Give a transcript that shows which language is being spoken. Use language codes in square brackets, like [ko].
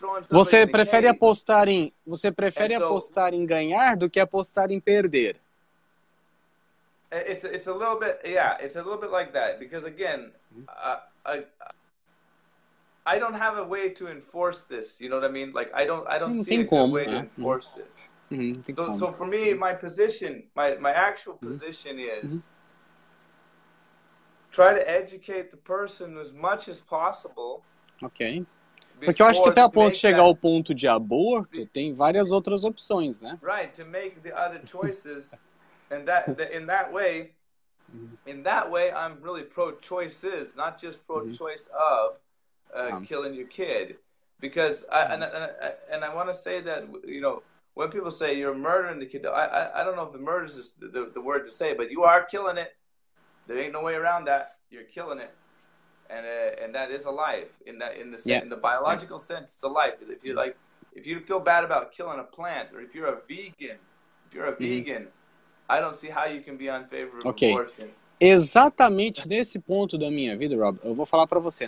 [pt] Você prefere apostar em apostar em ganhar do que apostar em perder. [en] It's a little bit it's a little bit like that because again I don't have a way to enforce this, you know what I mean? Like I don't [pt] não [en] see a [pt] como, [en] good way to enforce this. So for me my position my actual position is try to educate the person as much as possible. Okay. [pt] Porque eu acho que até a ponto de chegar ao ponto de aborto, tem várias outras opções, né? [en] Right, to make the other choices. And in that way, I'm really pro-choices, not just pro-choice of killing your kid. Because, I want to say that, you know, when people say you're murdering the kid, I don't know if the murder is the word to say, but you are killing it. There ain't no way around that. You're killing it. And that is a life in the biological sense. It's a life. If you like, if you feel bad about killing a plant, or if you're a vegan, I don't see how you can be in favor of abortion. [pt] Exatamente nesse ponto da minha vida, Rob, eu vou falar para você.